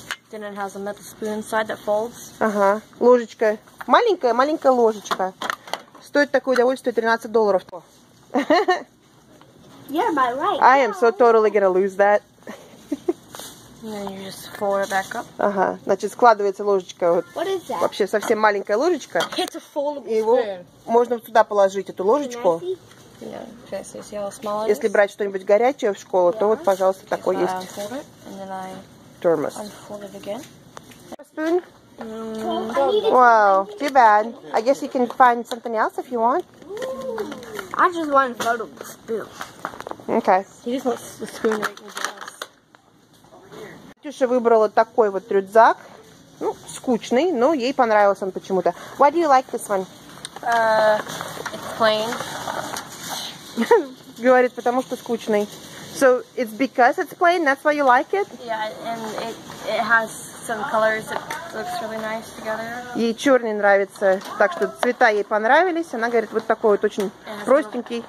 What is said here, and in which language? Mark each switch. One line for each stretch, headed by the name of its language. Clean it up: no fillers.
English: Then it has a metal spoon inside that folds.
Russian: Ага, ложечка. Маленькая ложечка. Стоит такое удовольствие $13.
English: You're my right. I am so totally gonna lose that. Then you just fold it back up.
Russian: Ага, значит, складывается ложечка.
English: What is that?
Russian: Вообще совсем маленькая ложечка.
English: It's a foldable spoon.
Russian: Можно сюда положить эту ложечку.
English: Yeah.
Russian: Если брать что-нибудь горячее в школу, то вот, пожалуйста, такой есть.
English: Unfold it, and then I thermos. Unfold it again. Spoon. Wow, too bad. I guess you can find something else if you want. I just want a photo of the spoon. Okay. He just wants the spoon right in the glass.
Russian: Катюша выбрала такой вот рюкзак. Ну, скучный, но ей понравился он почему-то.
English: Why do you like this one? It's plain.
Russian: Говорит, потому что скучный.
English: So, it's because it's plain, that's why you like it? Yeah, and it has some colors that looks really nice together.
Russian: Ей черный нравится, так что цвета ей понравились. Она говорит, вот такой вот очень простенький.